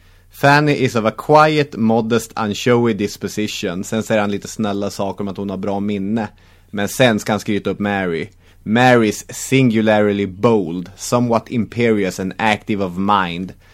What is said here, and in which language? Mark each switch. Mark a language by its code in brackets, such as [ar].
[en] Fanny is of a quiet, modest and showy disposition. [sv] Sen säger han lite snälla saker om att hon har bra minne, men sen ska han skryta upp Mary. [en] Mary's singularly bold, somewhat imperious and active of mind.